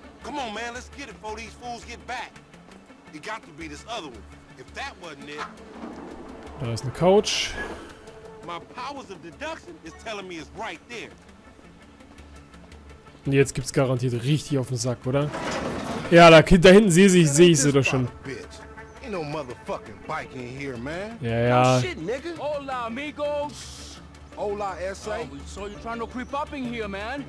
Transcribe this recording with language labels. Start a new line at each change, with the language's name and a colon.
English: Come on, man, let's get it before these fools get back. It got to be this other one. If that wasn't it.
German: Da ist eine Couch.
English: My powers of deduction is telling me it's right there.
German: Und jetzt gibt's garantiert richtig auf den Sack, oder? Ja, da hinten sehe ich sie doch schon.
English: Ain't no motherfucking bike in here, man. Ja.
Spanish: Hola, amigos.
English: Hola, S.A. So you're trying to creep up in here, man?